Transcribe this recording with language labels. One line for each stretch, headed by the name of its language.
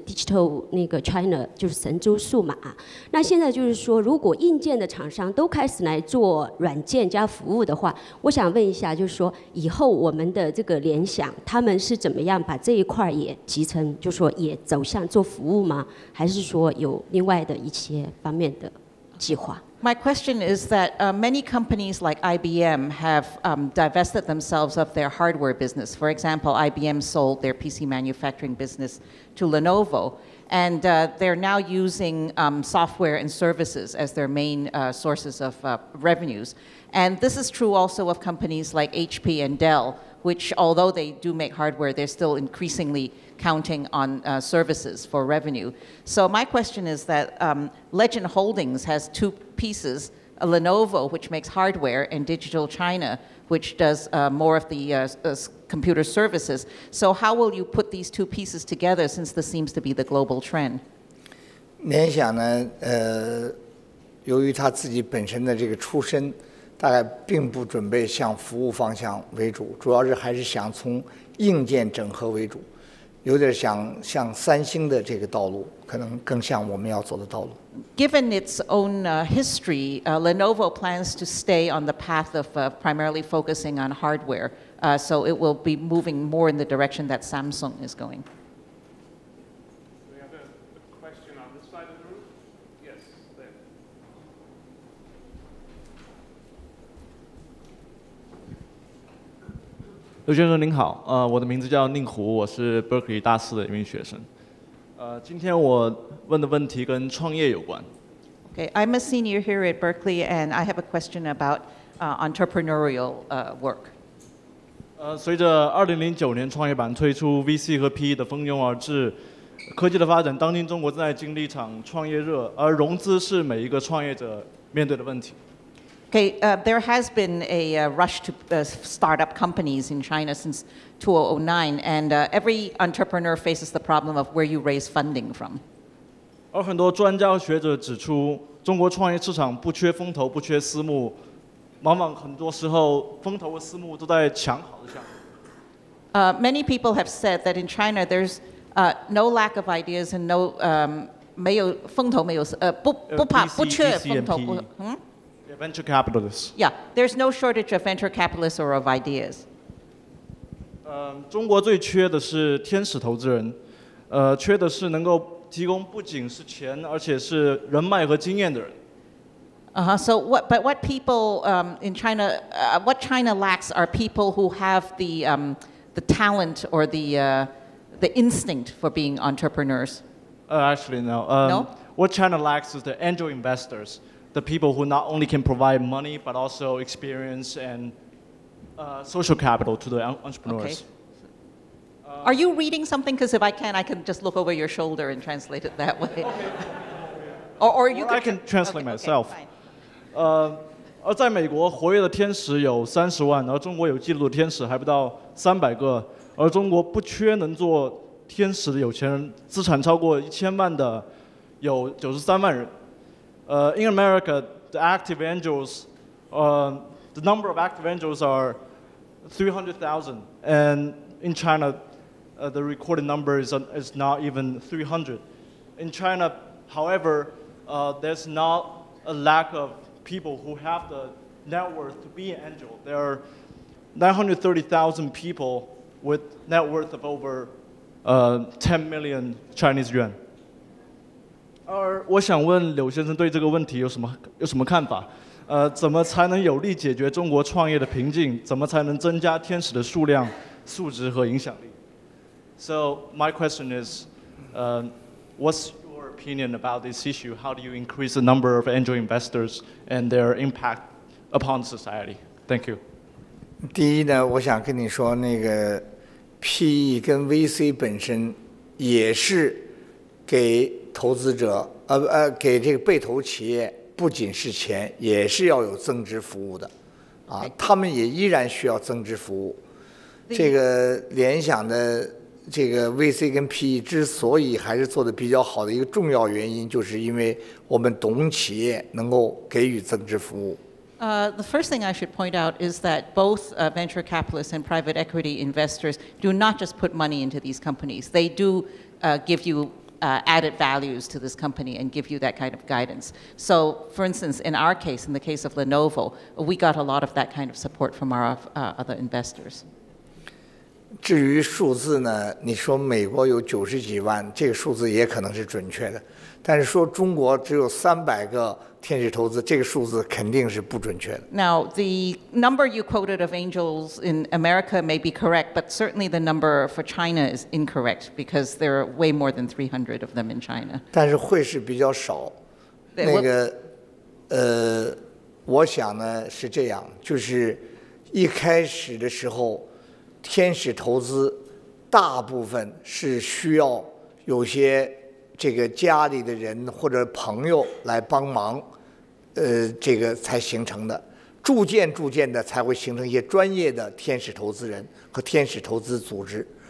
Chinese: Digital 那个 China 就是神州数码，那现在就是说，如果硬件的厂商都开始来做软件加服务的话，我想问一下，就是说以后我们的这个联想，他们是怎么样把这一块也集成，就是说也走向做服务吗？还是说有另外的一些方面的计划。
English: My question is that many companies like IBM have divested themselves of their hardware business. For example, IBM sold their PC manufacturing business to Lenovo, and they're now using software and services as their main sources of revenues. And this is true also of companies like HP and Dell, which although they do make hardware, they're still increasingly counting on services for revenue. So my question is that Legend Holdings has two pieces, Lenovo, which makes hardware, and Digital China, which does more of the computer services. So how will you put these two pieces together since this seems to be the global trend?
Chinese: 联想呢，由于他自己本身的这个出身，大概并不准备向服务方向为主，主要是还是想从硬件整合为主，有点想像三星的这个道路，可能更像我们要走的道路。
English: Given its own history, Lenovo plans to stay on the path of primarily focusing on hardware, so it will be moving more in the direction that Samsung is going. We have a question on this side of the room. Yes, there.
Chinese: 刘先生您好，我的名字叫宁湖，我是 Berkeley 大四的一名学生。今天我问的问题跟创业有关。
English: Okay, I'm a senior here at Berkeley, and I have a question about entrepreneurial work.
Chinese: 随着2009年创业板推出 VC 和 PE 的蜂拥而至，科技的发展，当今中国正在经历一场创业热，而融资是每一个创业者面对的问题。
English: Okay, there has been a rush to start up companies in China since 2009, and every entrepreneur faces the problem of where you raise funding from.
Chinese: 而很多专家和学者指出，中国创业市场不缺风投，不缺私募，往往很多时候风投和私募都在抢好的项目。
English: Many people have said that in China there's no lack of ideas and no
Chinese: 没有风投没有不怕
English: BC,
Chinese: 不缺风投。
English: Venture capitalists. Yeah, there's no shortage of venture capitalists or of ideas.
Chinese: 中国最缺的是天使投资人，缺的是能够提供不仅是钱，而且是人脉和经验的人。
English: So what people in China, what China lacks are people who have the talent or the instinct for being entrepreneurs. Actually, no. What China lacks is the angel investors. The people who not only can provide money, but also experience and social capital to the entrepreneurs. Okay. Are you reading something? Because if I can, I can just look over your shoulder and translate it that way. or you well, I can translate myself. Okay,
Chinese: 在美国活跃的天使有300,000，而中国有记录的天使还不到300个，而中国不缺能做天使的有钱人，资产超过1,000,000的有93万人。
English: In America, the active angels, the number of active angels are 300,000. And in China, the recorded number is not even 300. In China, however, there's not a lack of people who have the net worth to be an angel. There are 930,000 people with net worth of over 10 million Chinese yuan.
Chinese: 而我想问柳先生对这个问题有什么看法？怎么才能有力解决中国创业的瓶颈？怎么才能增加天使的数量、素质和影响力
English: ？So my question is, what's your opinion about this issue? How do you increase the number of angel investors and their impact upon society? Thank you.
Chinese: 第一呢，我想跟你说，那个 PE 跟 VC 本身也是给投资者，给这个被投企业不仅是钱，也是要有增值服务的，啊，他们也依然需要增值服务。这个联想的这个 VC 跟 PE 之所以还是做的比较好的一个重要原因，就是因为我们懂企业，能够给予增值服务。
English: The first thing I should point out is that both venture capitalists and private equity investors do not just put money into these companies; they do give you added values to this company and give you that kind of guidance. So, for instance, in our case, in the case of Lenovo, we got a lot of that kind of support from our other investors.
Chinese: 至于数字呢，你说美国有九十几万，这个数字也可能是准确的。但是说中国只有三百个天使投资，这个数字肯定是不准确的。
English: Now, the number you quoted of angels in America may be correct, but certainly the number for China is incorrect because there are way more than 300 of them in China.
Chinese: 但是会是比较少。那个，我想呢是这样，就是一开始的时候，天使投资大部分是需要有些这个家里的人或者朋友来帮忙，这个才形成的，逐渐逐渐的才会形成一些专业的天使投资人和天使投资组织。